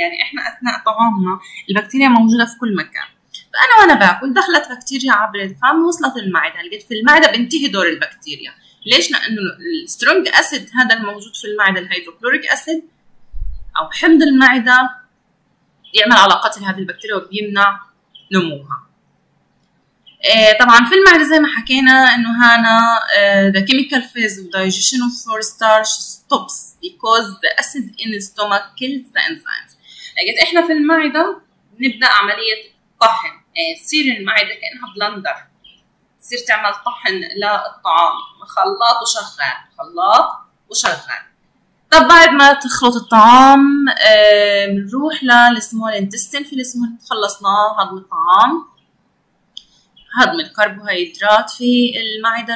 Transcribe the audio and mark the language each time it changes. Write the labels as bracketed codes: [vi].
[ar] يعني احنا اثناء طعامنا البكتيريا موجوده في كل مكان، فانا وانا باكل دخلت بكتيريا عبر الفم وصلت المعده، لقيت في المعده بنتهي دور البكتيريا. ليش؟ لانه السترونج اسيد هذا الموجود في المعده، الهيدروكلوريك اسيد او حمض المعده، يعمل على قتل هذه البكتيريا وبيمنع نموها. طبعا في المعده زي ما حكينا انه هنا [en] the chemical phase of digestion of four starch stops because the acid in the stomach kills the enzymes. [ar] لقيت احنا في المعده نبدا عمليه طحن، تصير المعده كانها بلندر، تصير تعمل طحن للطعام، خلاط وشغال، خلاط وشغال. طب بعد ما تخلط الطعام بنروح للسمول انتستين، في السمول خلصنا هضم الطعام، هضم الكربوهيدرات في المعدة.